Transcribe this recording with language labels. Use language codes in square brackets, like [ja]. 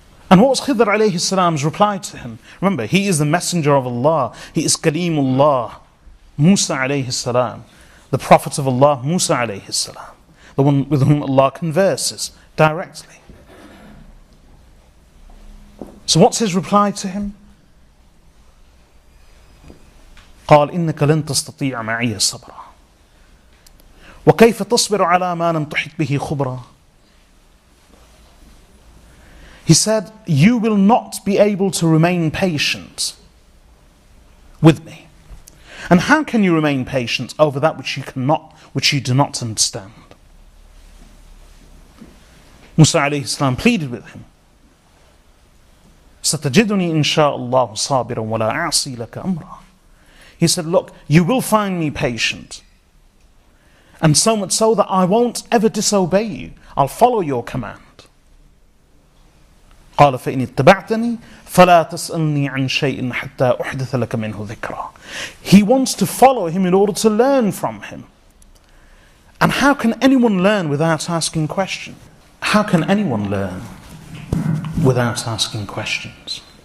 [en] And what was Khidr alayhi salam's reply to him? Remember, he is the messenger of Allah. He is Kaleemullah, Musa alayhi salam, the prophet of Allah, Musa alayhi salam, the one with whom Allah converses directly. So what's his reply to him? [ar] قال إنك لن تستطيع معي صبرا وكيف تصبر على ما لم تحط به خبرا. [en] He said, you will not be able to remain patient with me. And how can you remain patient over that which you cannot, which you do not understand? Musa alayhi salam pleaded with him. [ar] ستجدني إن شاء الله صابرا ولا أعصي لك أمرا. [en] He said, look, you will find me patient. And so much so that I won't ever disobey you. I'll follow your command. [ar] قال فإن اتبعتني فلا تسألني عن شيء حتى أحدث لك منه ذكرا. [en] He wants to follow him in order to learn from him. And how can anyone learn without asking questions? How can anyone learn without asking questions?